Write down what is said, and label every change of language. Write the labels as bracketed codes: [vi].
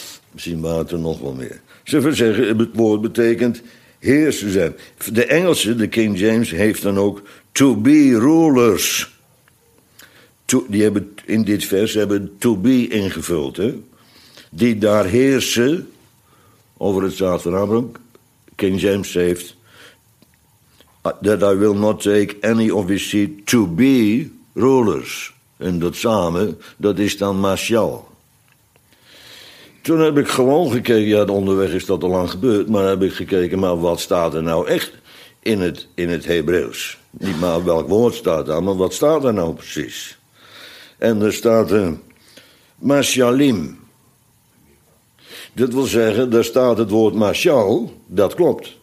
[nl] Misschien waren er nog wel meer. Ze zeggen, het woord betekent heersen zijn. De Engelse, de King James, heeft dan ook [en] to be rulers. [nl] Die hebben in dit vers hebben to be ingevuld. Hè? Die daar heersen over het zaad van Abraham. [en] King James heeft that I will not take any of his seed to be rulers. [nl] En dat samen, dat is dan Mashal. Toen heb ik gewoon gekeken, ja, onderweg is dat al lang gebeurd, maar heb ik gekeken, maar wat staat er nou echt in het Hebreeuws? Niet maar welk woord staat daar, maar wat staat er nou precies? En er staat een Mashalim. Dat wil zeggen, daar staat het woord Mashal, dat klopt.